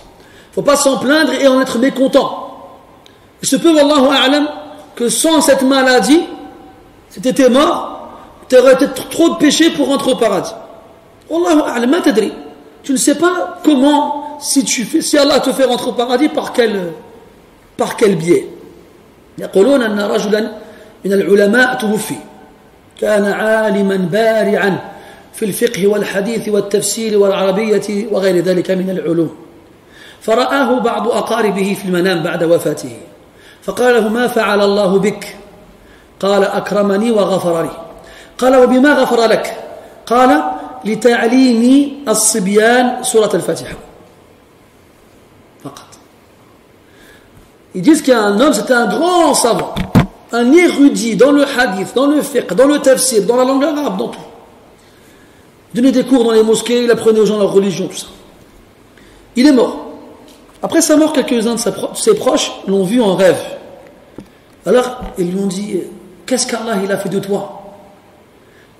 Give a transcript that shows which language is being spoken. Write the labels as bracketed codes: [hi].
[fr] Il ne faut pas s'en plaindre et en être mécontent. Il se peut, Wallahu A'lam, que sans cette maladie, si tu étais mort, tu aurais peut-être trop de péchés pour rentrer au paradis. [ar] Wallahu A'lam, ma tadri. [fr] Tu ne sais pas comment, si Allah te fait rentrer au paradis, par quel biais. [ar] يقولون أن رجلا من العلماء توفي كان عالما بارعا في الفقه والحديث والتفسير والعربية وغير ذلك من العلوم. فرآه بعض أقاربه في المنام بعد وفاته. فقال له ما فعل الله بك؟ قال أكرمني وغفر لي. قال وبما غفر لك؟ قال لتعليمي الصبيان سورة الفاتحة فقط. [fr] Ils disent qu'un homme, c'était un grand savant, un érudit dans le hadith, dans le fiqh, dans le tafsir, dans la langue arabe, dans tout. Il donnait des cours dans les mosquées, il apprenait aux gens leur religion, tout ça. Il est mort. Après sa mort, quelques-uns de ses proches l'ont vu en rêve. Alors, ils lui ont dit, qu'est-ce qu'Allah il a fait de toi ?